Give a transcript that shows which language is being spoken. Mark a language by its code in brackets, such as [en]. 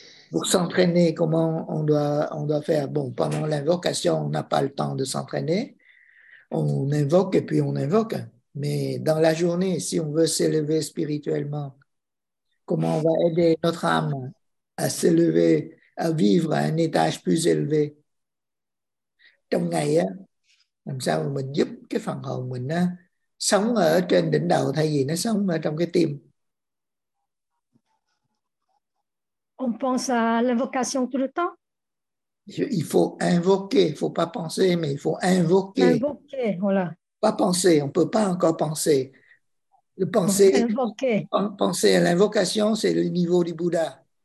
[fr] Pour s'entraîner, comment on doit faire? Bon, pendant l'invocation, on n'a pas le temps de s'entraîner. On invoque et puis on invoque. Mais dans la journée, si on veut s'élever spirituellement, comment on va aider notre âme à s'élever, à vivre à un étage plus élevé? [vi] Trong ngày, làm sao mà mình giúp cái phần hồn mình sống ở trên đỉnh đầu thay vì nó sống ở trong cái tim? [fr] On pense à l'invocation tout le temps? Il faut invoquer, il faut pas penser, mais il faut invoquer. Invoquer, voilà. Pas penser, on peut pas encore penser. Le penser, invoquer. Penser à l'invocation, c'est le niveau du Bouddha.